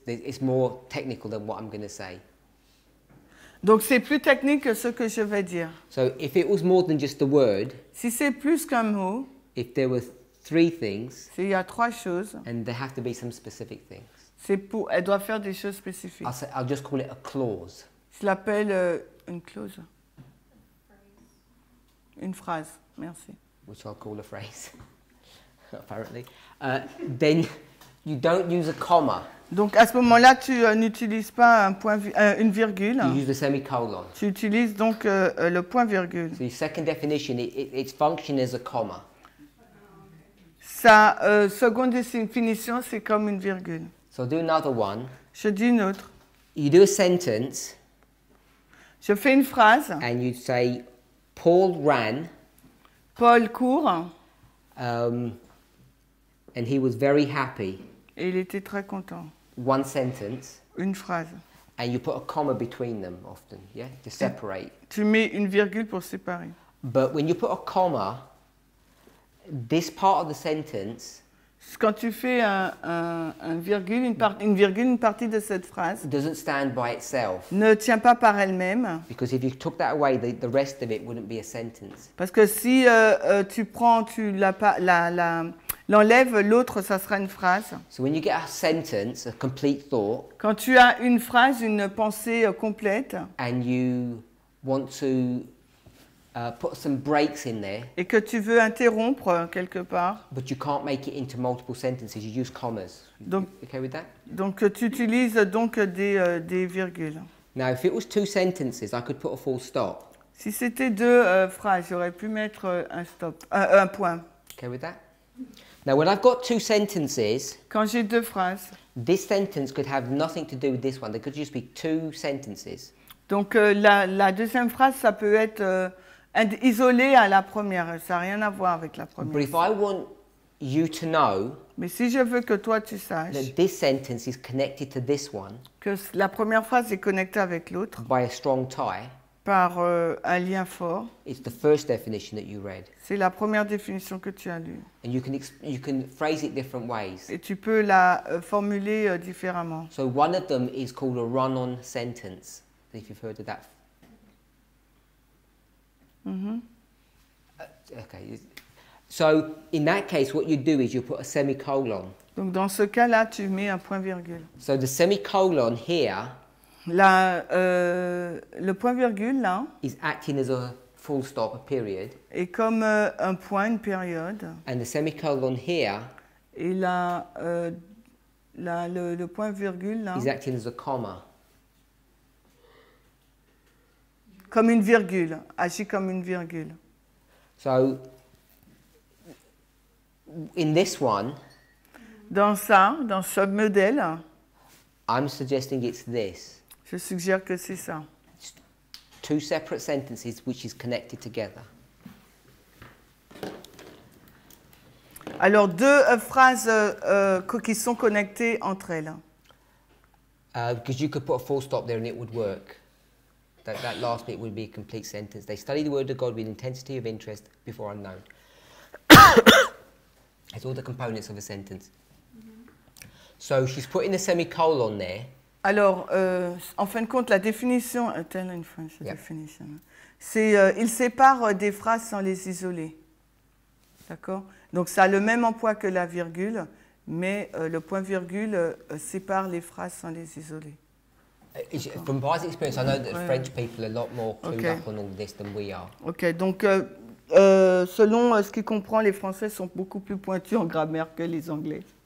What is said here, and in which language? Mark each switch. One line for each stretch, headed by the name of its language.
English: It's more technical than what I'm going to say.
French: Donc c'est plus technique que ce que je vais dire.
English: So if it was more than just the word.
French: Si c'est plus qu'un mot.
English: If there were three things.
French: S'il y a trois choses.
English: And there have to be some specific things.
French: Elle doit faire des choses spécifiques.
English: I'll just call it a clause.
French: Je l'appelle une clause. Une phrase, merci.
English: Which I'll call a phrase, apparently. Then you don't use a comma.
French: Donc à ce moment-là, tu n'utilises pas un point, une virgule.
English: You use a semicolon.
French: Tu utilises donc le point virgule.
English: So your second definition, it functions as a comma.
French: Sa seconde définition, c'est comme une virgule.
English: So I'll do another one.
French: Je dis une autre.
English: You do a sentence.
French: Je fais une phrase.
English: And you'd say, Paul ran.
French: Paul court.
English: And he was very happy.
French: Et il était très content.
English: One sentence.
French: Une phrase.
English: And you put a comma between them often, yeah, to separate.
French: Tu mets une virgule pour séparer.
English: But when you put a comma, this part of the sentence.
French: Quand tu fais une virgule, une partie de cette phrase
English: doesn't stand by itself.
French: Ne tient pas par elle-même.
English: Because if you took that away, the rest of it wouldn't be a sentence.
French: Parce que si l'enlèves, l'autre, ça sera une phrase.
English: So when you get a sentence, a complete thought.
French: Quand tu as une phrase, une pensée complète.
English: And you want to put some breaks in there.
French: Et que tu veux interrompre quelque part.
English: But you can't make it into multiple sentences. You use commas.
French: Donc,
English: you okay with that?
French: Donc tu utilises donc des virgules.
English: Now, if it was two sentences, I could put a full stop.
French: Si c'était deux phrases, j'aurais pu mettre un stop, un point.
English: Okay with that? Now, when I've got two sentences,
French: quand j'ai deux phrases,
English: this sentence could have nothing to do with this one. They could just be two sentences.
French: Donc la deuxième phrase, ça peut être isolé à la première. Ça a rien à voir avec la première.
English: But if I want you to know,
French: mais si je veux que toi tu saches,
English: that this sentence is connected to this one,
French: que la première phrase est connectée avec l'autre,
English: by a strong tie,
French: par un lien fort.
English: It's the first definition that you read.
French: C'est la première définition que tu as lue.
English: And you can phrase it different ways.
French: Et tu peux la formuler différemment.
English: So one of them is called a run-on sentence. If you've heard of that. Okay. So in that case, what you do is you put a semicolon.
French: Donc dans ce cas-là, tu mets un point virgule.
English: So the semicolon here.
French: Le point virgule là
English: is acting as a full stop, a period.
French: Est comme un point, une période.
English: And the semicolon here.
French: Et le point virgule là
English: is acting as a comma.
French: Comme une virgule, agit comme une virgule.
English: So in this one.
French: Dans ce modèle.
English: I'm suggesting it's this.
French: Je suggère que c'est ça.
English: It's two separate sentences which is connected together.
French: Alors deux phrases qui sont connectées entre elles.
English: Because you could put a full stop there and it would work. That last bit would be a complete sentence. They study the word of God with intensity of interest before unknown. It's all the components of a sentence. So she's putting a semicolon there.
French: Alors, en fin de compte, la définition, telle une fois, c'est définition. C'est, il sépare des phrases sans les isoler. D'accord? Donc ça a le même emploi que la virgule, mais le point virgule sépare les phrases sans les isoler. From past experience, I know that French people are a lot more clued up on all this than we are. Okay, donc selon ce qui comprend, les Français sont beaucoup plus pointus en grammaire que les Anglais.